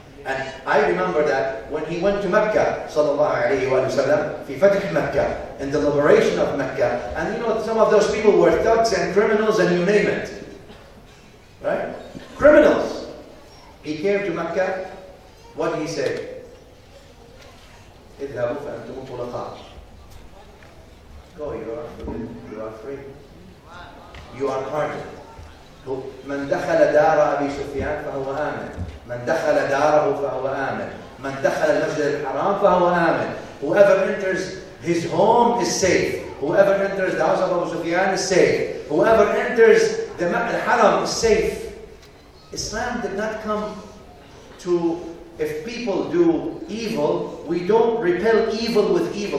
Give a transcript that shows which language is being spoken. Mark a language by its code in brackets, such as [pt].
[en] And I remember that when he went to Mecca sallallahu alaihi wasallam [ar] fi fatih Mecca, [en] in the liberation of Mecca, and you know, some of those people were thugs and criminals and you name it. Right? Criminals. He came to Mecca, what did he say? [ar] اذهبوا فأنتم طلقاء. [en] Go, you are forbidden, you are free. You are pardoned. [ar] من دخل دار أبي سفيان فهو آمن. من دخل داره فهو آمن. من دخل المسجد الحرام فهو آمن. [en] Whoever enters his home is safe. Whoever enters the house of Abu Sufyan is safe. Whoever enters the Haram is safe. Islam did not come to, if people do evil, we don't repel evil with evil.